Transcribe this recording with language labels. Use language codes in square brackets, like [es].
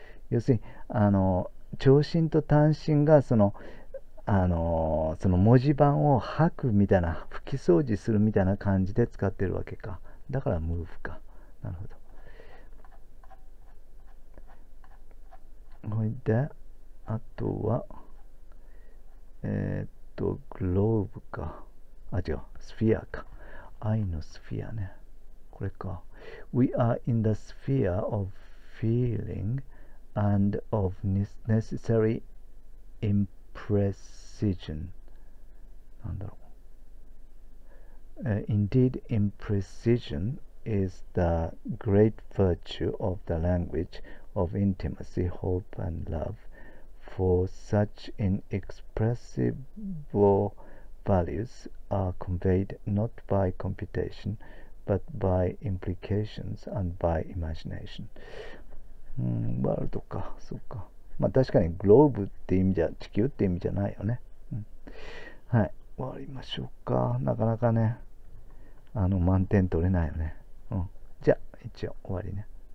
[ja] 要するに、長針と短針が、その文字盤を吐くみたいな、拭き掃除するみたいな感じで使ってるわけか。だからムーブか。なるほど。ほいで、あとは、グローブか。違う、スフィアか。愛のスフィアね。これか。 [en] We are in the sphere of feeling and of necessary imprecision. [ja] なんだろう。 [en] Indeed, imprecision is the great virtue of the language of intimacy, hope, and love. For such inexpressible values are conveyed not by computation, but by implications and by imagination. [ja] ワールドか。そうか。まあ確かにグローブって意味じゃ、地球って意味じゃないよね。はい、終わりましょうか。なかなかね、満点取れないよね。じゃあ、一応終わりね。